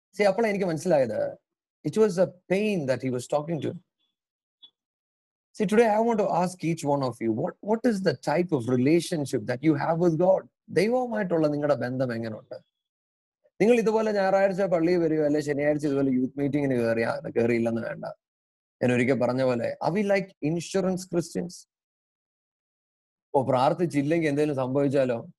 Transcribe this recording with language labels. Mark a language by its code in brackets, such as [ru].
[ml] അപ്പോൾ എനിക്ക് മനസ്സിലായത് [en] It was a pain that he was talking to. See, today I want to ask each one of you, what is the type of relationship that you have with God? [ml] ദൈവവുമായിട്ടുള്ള നിങ്ങളുടെ ബന്ധം എങ്ങനെയുണ്ട്? നിങ്ങൾ ഇതുപോലെ ഞായറാഴ്ച പള്ളിയിൽ വരിക അല്ലെ ശനിയാഴ്ച ഇതുപോലെ യൂത്ത് മീറ്റിങ്ങിന് കയറിയില്ലെന്ന് വേണ്ട. ഞാൻ ഒരിക്കൽ പറഞ്ഞ പോലെ, [en] Are we like insurance Christians? [ml] ഓ, പ്രാർത്ഥിച്ചില്ലെങ്കിൽ എന്തെങ്കിലും സംഭവിച്ചാലോ?